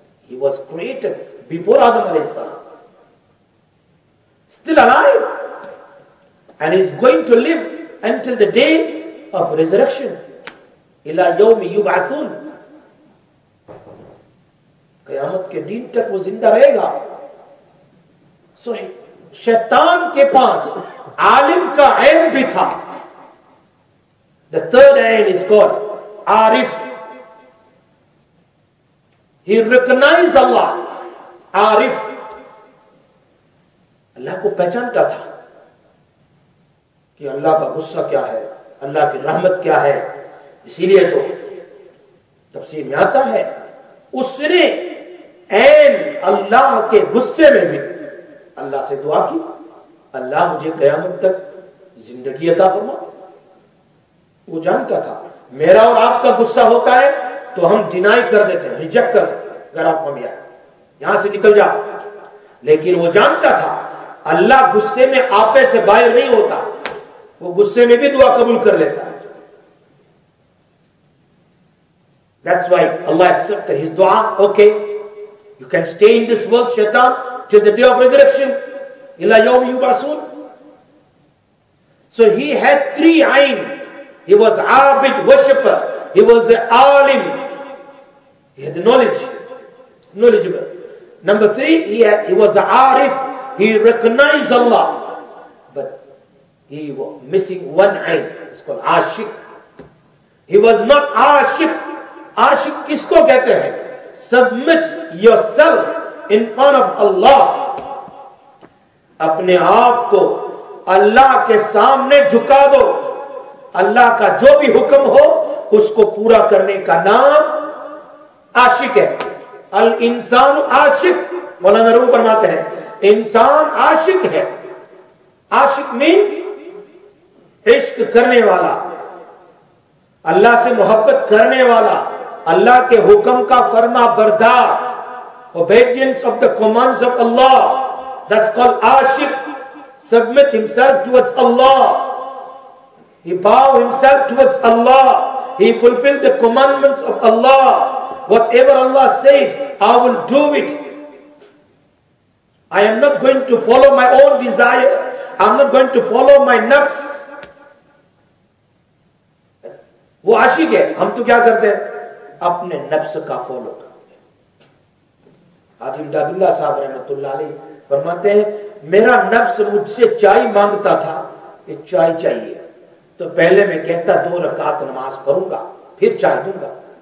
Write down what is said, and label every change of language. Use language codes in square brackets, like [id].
[en] he was created before Adam علیہ السلام، still alive and he is going to live until the day of resurrection [ar] الی یوم یبعثون، [ur] قیامت کے دن تک وہ زندہ رہے گا. [en] صحیح. [ur] شیطان کے پاس عالم کا عین بھی تھا. [en] The third عین is called عارف. He recognized Allah. [ur] عارف اللہ کو پہچانتا تھا کہ اللہ کا غصہ کیا ہے، اللہ کی رحمت کیا ہے. اسی لیے تو تفسیر میں آتا ہے اس نے عین اللہ کے غصے میں بھی اللہ سے دعا کی، اللہ مجھے قیامت تک زندگی عطا فرما. وہ جانتا تھا میرا اور آپ کا غصہ ہوتا ہے تو ہم ڈینائی کر دیتے ہیں، ریجیکٹ کر دیتے ہیں، اگر آپ ہم یہاں سے نکل جاؤ. لیکن وہ جانتا تھا اللہ غصے میں آپے سے باہر نہیں ہوتا، وہ غصے میں بھی دعا قبول کر لیتا. [en] That's why Allah accepted his دعا. Okay, you can stay in this world شیطان till the day of resurrection [ar] الا یوم یبعثون. [en] So he had three عین. He was عابد worshipper. He was a عالم. He had knowledge. Knowledgeable. Number three, he was a عارف. He recognized Allah. But he was missing one عین. It's called عاشق. He was not عاشق. [ur] عاشق کس کو کہتے ہیں؟ [en] Submit yourself in front of Allah. [ur] اپنے آپ کو اللہ کے سامنے جھکا دو. اللہ کا جو بھی حکم ہو اس کو پورا کرنے کا نام عاشق ہے. الانسان عاشق، مولانا روم فرماتے ہیں انسان عاشق ہے. عاشق مینس عشق کرنے والا. اللہ سے محبت کرنے والا, اللہ کے حکم کا فرما بردار, [en] obedience of the commands of Allah, that's called aashiq, submit himself towards Allah, he bow himself towards Allah, he fulfilled the commandments of Allah, whatever Allah said, I will do it, I am not going to follow my own desire, I'm not going to follow my nafs. [ur] وہ عاشق ہے, ہم تو کیا کرتے ہیں اپنے نفس کا فالو کرتے ہیں. حافظ عبداللہ صاحب رحمت اللہ علیہ فرماتے ہیں میرا نفس مجھ سے چائے مانگتا تھا کہ چائے چاہیے, تو پہلے میں کہتا دو رکعت نماز پڑھوں گا پھر چائے دوں گا.